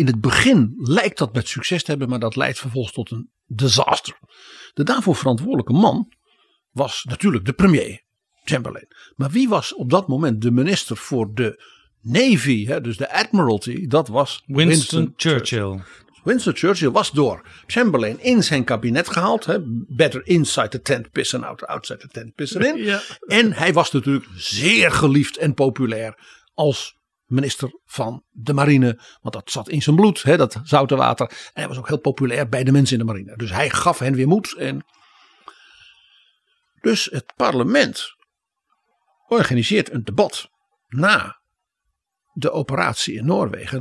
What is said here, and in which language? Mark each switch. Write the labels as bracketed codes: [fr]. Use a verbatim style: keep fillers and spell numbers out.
[nl] In het begin lijkt dat met succes te hebben, maar dat leidt vervolgens tot een disaster. De daarvoor verantwoordelijke man was natuurlijk de premier, Chamberlain. Maar wie was op dat moment de minister voor de Navy, hè, dus de Admiralty, dat was Winston, Winston Churchill. Churchill. Winston Churchill was door Chamberlain in zijn kabinet gehaald. [en] Hè, better inside the tent, piss and out, outside the tent, piss and in. Ja. [nl] En hij was natuurlijk zeer geliefd en populair als minister van de marine. Want dat zat in zijn bloed, hè, dat zoute water. En hij was ook heel populair bij de mensen in de marine. Dus hij gaf hen weer moed. En dus het parlement organiseert een debat na de operatie in Noorwegen.